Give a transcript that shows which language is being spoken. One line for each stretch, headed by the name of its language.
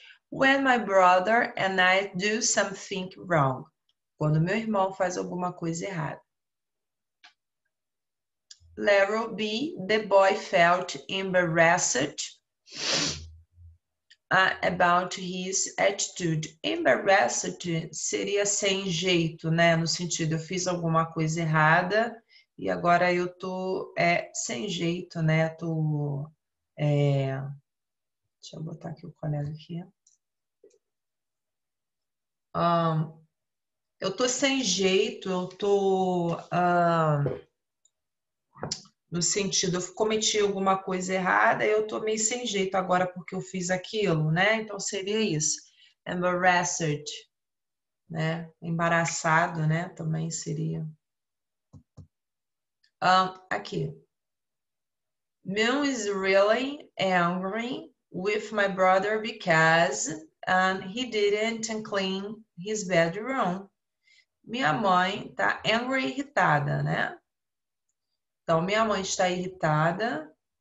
English: When my brother and I do something wrong.
Portuguese: Quando meu irmão faz alguma coisa errada.
English: Letter B, the boy felt embarrassed about his attitude.
Portuguese: Embarrassed seria sem jeito, né? No sentido, eu fiz alguma coisa errada e agora eu tô sem jeito, né? Tô deixa eu botar aqui o colega aqui. Eu tô sem jeito, eu tô no sentido, eu cometi alguma coisa errada, eu tô meio sem jeito agora porque eu fiz aquilo, né? Então seria isso. Embarrassed, né? Embaraçado, né? Também seria. Aqui.
English: Mom is really angry with my brother because he didn't clean his bedroom.
Portuguese: Minha mãe tá angry, irritada, né? Então, minha mãe está irritada.